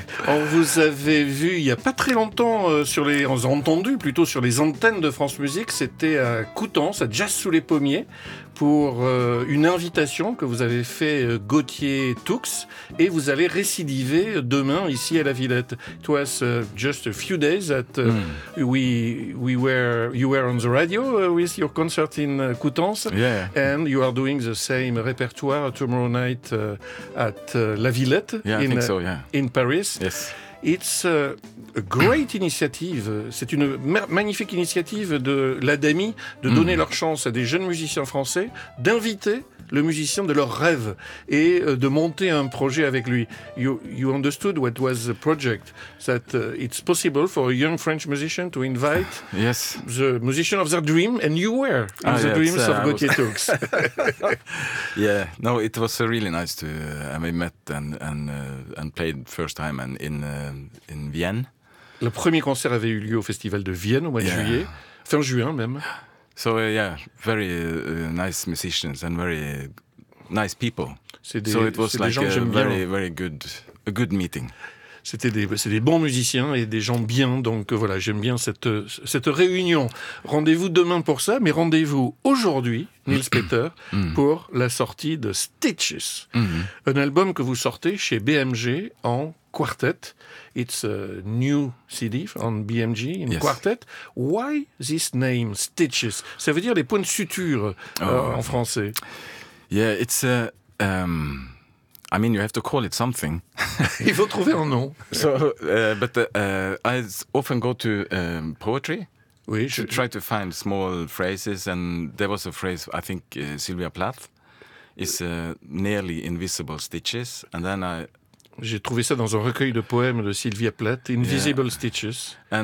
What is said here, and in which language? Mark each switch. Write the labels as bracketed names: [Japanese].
[French] On vous avait vu il n'y a pas très longtemps, sur les antennes de France Musique, c'était à Coutances, à Jazz sous les pommiers, pour une invitation que vous avez fait Gauthier Toux, et vous allez récidiver demain ici à la Villette. [English] It was just a few days that you were on the radio with your concert in Coutances, yeah. And you are doing the same repertoire tomorrow night at La Villette, yeah, in, I think so, yeah. In Paris. Yes. It's a great initiative. [French] C'est une magnifique initiative de l'ADEMI de donner leur chance à des jeunes musiciens français d'inviter le musicien de leur rêve et de monter un projet avec lui. [English] You understood what was the project, that it's possible for a young French musician to invite yes. the musician of their dream, and you were in the dreams of Gauthier Toux. Yeah, no, it was really nice to we met and played first time and in Vienne. [French] Le premier concert avait eu lieu au festival de Vienne au mois de juillet, fin juin même. [English] So yeah, very nice musicians and very nice people. So it was like a very, very good meeting. [French] C'est des bons musiciens et des gens bien, donc voilà, j'aime bien cette réunion. Rendez-vous demain pour ça, mais rendez-vous aujourd'hui, Niels-Peter, pour la sortie de Stitches, un album que vous sortez chez BMG en quartet. [English] It's a new CD on BMG in quartet. Why this name, Stitches? [French] Ça veut dire les points de suture en français. [English] Yeah, it's a... I mean, you have to call it something. [French] Il faut trouver un nom. [English] So, I often go to poetry to try to find small phrases. And there was a phrase, I think, Sylvia Plath, is nearly invisible stitches. And then [French] j'ai trouvé ça dans un recueil de poèmes de Sylvia Plath, Invisible Stitches.